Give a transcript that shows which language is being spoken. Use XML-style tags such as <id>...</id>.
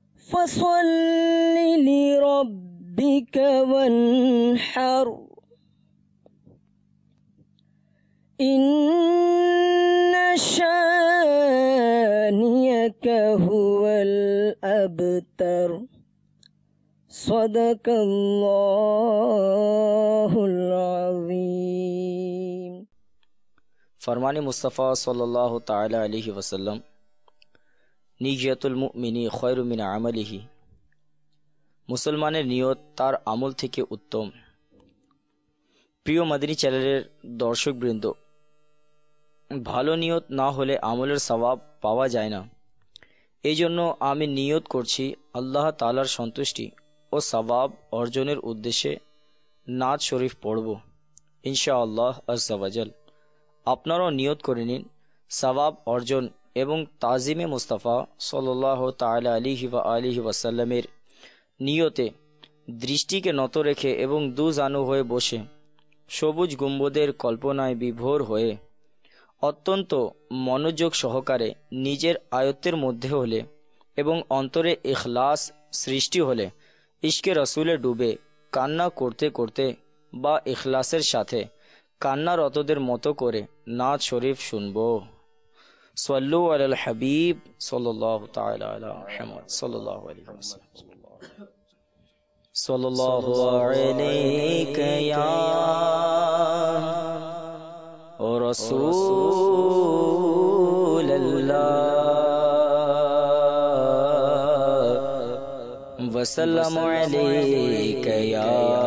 <ar>فصل لربك وانحر، إن شانئك هو الأبتر۔ صدق الله العظيم۔</ar> <ur>فرمان مصطفیٰ صلی اللہ تعالی علیہ وسلم،</ur> <ar>نیت المؤمن خیر من عمله،</ar> <bn>মুসলমানের নিয়ত তার আমল থেকে উত্তম। প্রিয় মদিনী চ্যানেলের দর্শকবৃন্দ, ভালো নিয়ত না হলে আমলের সওয়াব পাওয়া যায় না, এই জন্য আমি নিয়ত করছি আল্লাহ তাআলার সন্তুষ্টি ও সওয়াব অর্জনের উদ্দেশ্যে নাত শরীফ পড়ব ইনশাআল্লাহ আজ্জাওয়াজাল। আপনারাও নিয়ত করে নিন সওয়াব অর্জন এবং তাজিমে মুস্তাফা সাল্লাল্লাহু তাআলা আলাইহি ওয়া আলিহি ওয়াসাল্লামের নিয়তে দৃষ্টিকে নত রেখে এবং দুজানু হয়ে বসে সবুজ গুম্বদের কল্পনায় বিভোর হয়ে অত্যন্ত মনোযোগ সহকারে নিজের আয়ত্তের মধ্যে হলে এবং অন্তরে ইখলাস সৃষ্টি হলে ইশকে রসুলে ডুবে কান্না করতে করতে বা ইখলাসের সাথে কান্নারতদের মতো করে নাত শরীফ শুনব।</bn> <ar>সাল্লু আলাল হাবিব সাল্লাল্লাহু তাআলা আলা মুহাম্মদ সাল্লাল্লাহু আলাইহি ওয়াসাল্লাম। صلى الله عليك يا رسول الله وسلم عليك يا</ar>